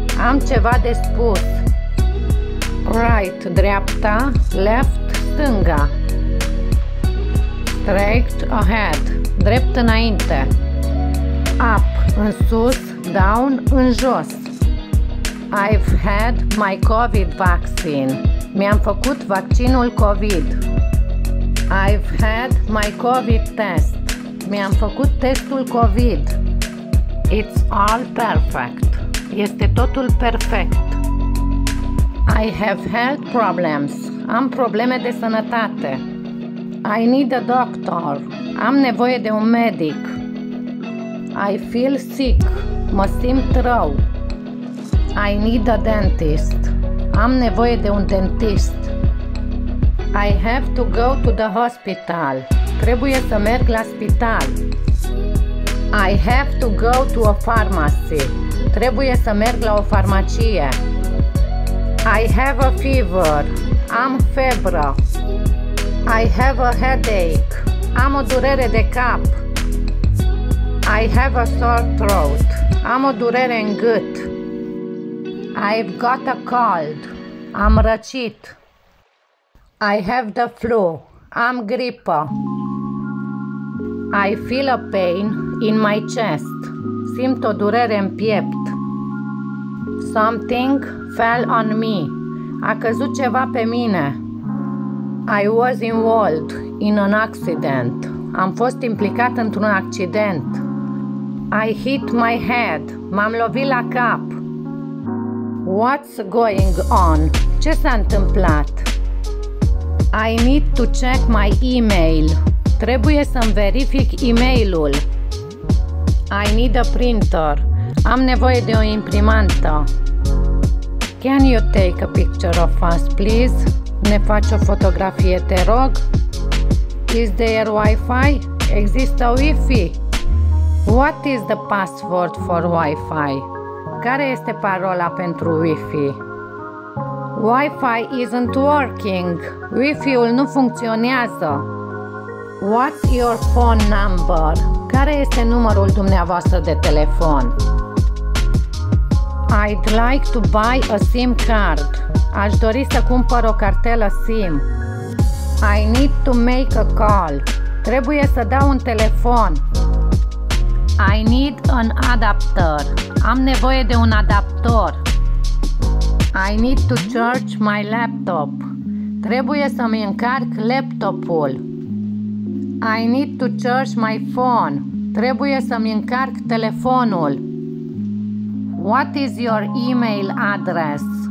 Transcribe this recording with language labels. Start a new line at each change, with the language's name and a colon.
Romanian: Am ceva de spus. Right, dreapta.
English: Left,
Romanian: stânga.
English: Straight ahead.
Romanian: Drept înainte.
English: Up,
Romanian: în sus. Down, în jos.
English: I've had my COVID vaccine.
Romanian: Mi-am făcut vaccinul COVID.
English: I've had my COVID test.
Romanian: Mi-am făcut testul COVID.
English: It's all perfect.
Romanian: Este totul perfect.
English: I have health problems.
Romanian: Am probleme de sănătate.
English: I need a doctor.
Romanian: Am nevoie de un medic.
English: I feel sick.
Romanian: Mă simt rău.
English: I need a dentist.
Romanian: Am nevoie de un dentist.
English: I have to go to the hospital.
Romanian: Trebuie să merg la spital.
English: I have to go to a pharmacy.
Romanian: Trebuie să merg la o farmacie.
English: I have a fever.
Romanian: Am febră.
English: I have a headache.
Romanian: Am o durere de cap.
English: I have a sore throat.
Romanian: Am o durere în gât.
English: I've got a cold.
Romanian: Am răcit.
English: I have the flu.
Romanian: Am gripă.
English: I feel a pain in my chest.
Romanian: Simt o durere în piept.
English: Something fell on me.
Romanian: A căzut ceva pe mine.
English: I was involved in an accident.
Romanian: Am fost implicat într-un accident.
English: I hit my head.
Romanian: M-am lovit la cap.
English: What's going on?
Romanian: Ce s-a întâmplat?
English: I need to check my email.
Romanian: Trebuie să-mi verific e-mailul.
English: I need a printer.
Romanian: Am nevoie de o imprimantă.
English: Can you take a picture of us, please?
Romanian: Ne faci o fotografie, te rog?
English: Is there Wi-Fi?
Romanian: Există Wi-Fi?
English: What is the password for Wi-Fi?
Romanian: Care este parola pentru Wi-Fi?
English: Wi-Fi isn't working.
Romanian: Wi-Fi-ul nu funcționează.
English: What's your phone number?
Romanian: Care este numărul dumneavoastră de telefon?
English: I'd like to buy a SIM card.
Romanian: Aș dori să cumpăr o cartelă SIM.
English: I need to make a call.
Romanian: Trebuie să dau un telefon.
English: I need an adapter.
Romanian: Am nevoie de un adaptor.
English: I need to charge my laptop.
Romanian: Trebuie să-mi încarc laptopul.
English: I need to charge my phone.
Romanian: Trebuie să-mi încarc telefonul.
English: What is your email address?